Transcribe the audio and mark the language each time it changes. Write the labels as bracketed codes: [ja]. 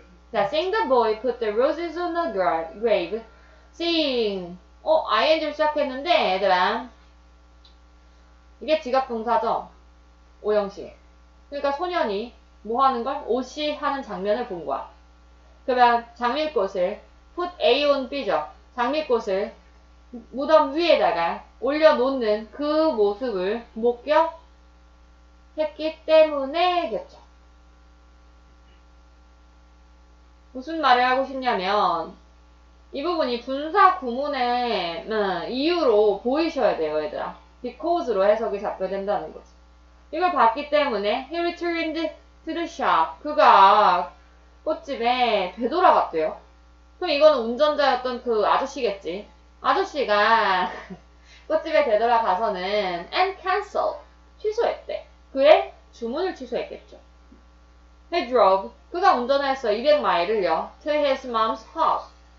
[en] 자, sing the boy put the roses on the grave. Sing. [ko] ing로 시작했는데, 얘들아. 이게 지각동사죠? 5형식. 그러니까 소년이 뭐 하는 걸? OC 하는 장면을 본 거야. 그러면 장미꽃을 put A on B죠. 장미꽃을 무덤 위에다가 올려놓는 그 모습을 목격했기 때문에겠죠. 무슨 말을 하고 싶냐면 이 부분이 분사 구문의 이유로 보이셔야 돼요, 얘들아. Because로 해석이 잡혀야 된다는 거지. 이걸 봤기 때문에 [en] he returned to the shop. [ko] 그가 꽃집에 되돌아갔대요. 그럼 이거는 운전자였던 그 아저씨겠지. 아저씨가 꽃집에 되돌아가서는 [en] and cancel [ko] 취소했대. 그의 주문을 취소했겠죠. [en] He drove. [ko] 그가 운전했어. 200마일을요. [en] To his mom's house.